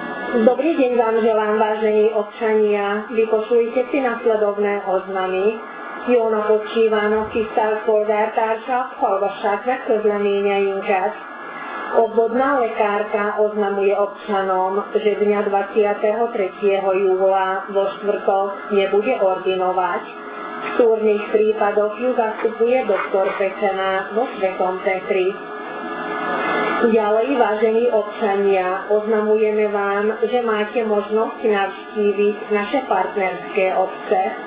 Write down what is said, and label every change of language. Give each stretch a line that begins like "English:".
Slovak: Dobrý deň vám želám, vážení občania. Vypočujte si nasledovné oznamy.
Hungarian: Jóna počívano, kisztelt polgártársak, hallgassák meg közleményeinket.
Slovak: Obvodná lekárka oznamuje občanom, že dňa 23. júla vo štvrtok nebude ordinovať. V súrnych prípadoch ju zastupuje doktor Pečená vo Svetom Petri. Ďalej, vážení občania, oznamujeme vám, že máte možnosť navštíviť naše partnerské obce.